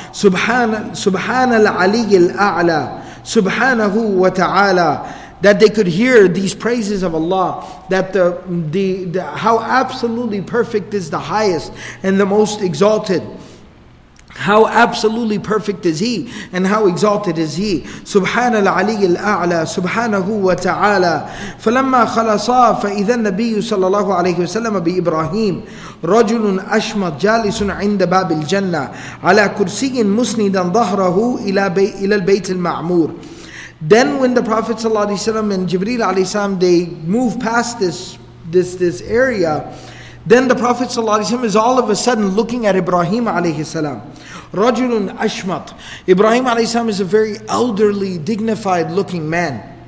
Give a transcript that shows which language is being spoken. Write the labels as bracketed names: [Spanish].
[Arabic] سُبْحَانَ الْعَلِيِّ الْأَعْلَى سُبْحَانَهُ وَتَعَالَى. [English] That they could hear these praises of Allah, that the how absolutely perfect is the highest and the most exalted. How absolutely perfect is He, and how exalted is He. [Arabic] سبحان العلي الأعلى سبحانه وتعالى. فلما خلصا فإذا النبي صلى الله عليه وسلم بإبراهيم رجل أشمت جالس عند باب الجنة على كرسي مسندا ظهره إلى البيت المعمور. [English] Then when the Prophet ﷺ and Jibreel ﷺ, they move past this this area, then the Prophet ﷺ is all of a sudden looking at Ibrahim alayhi salam. [Arabic] Rajulun Ashmat. [English] Ibrahim alayhi salam is a very elderly, dignified looking man.